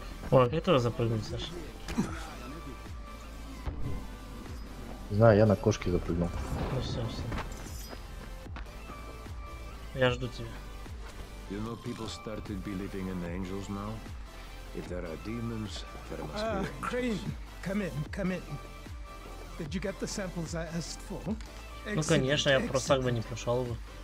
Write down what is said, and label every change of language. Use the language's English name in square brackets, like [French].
[Russian] О, как этого запрыгнуть, Саша? Не знаю, я на кошке запрыгнул. Ну все. Я жду тебя. [English] You know, people started believing in angels now. If there are demons, there must be angels. Crane, come in. Did you get the samples I asked for? [Russian] Ну конечно, я просто так бы не пошел бы.